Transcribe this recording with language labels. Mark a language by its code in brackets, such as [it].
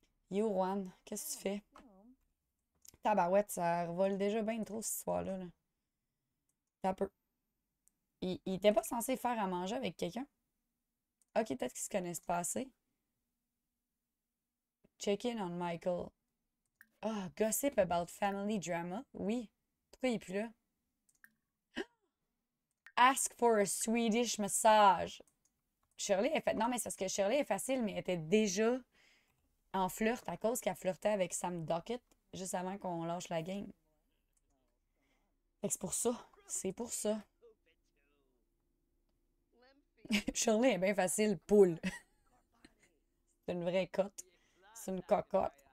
[fr] Yo, Juan, qu'est-ce que tu fais? Tabarouette, ça revole déjà bien trop ce soir-là, là. T'as peur. Il était pas censé faire à manger avec quelqu'un. Ok, peut-être qu'ils se connaissent pas assez. [en] Check in on Michael. [fr] Ah, oh, [en] gossip about family drama. [fr] Oui. Pourquoi il est plus là? [en] Ask for a Swedish massage. [fr] Shirley est fait. Non, mais c'est parce que Shirley est facile, mais elle était déjà en flirt à cause qu'elle flirtait avec Sam Duckett juste avant qu'on lâche la game. Fait que c'est pour ça. C'est pour ça. Shirley est bien facile, poule. C'est une vraie cote. C'est une cocotte.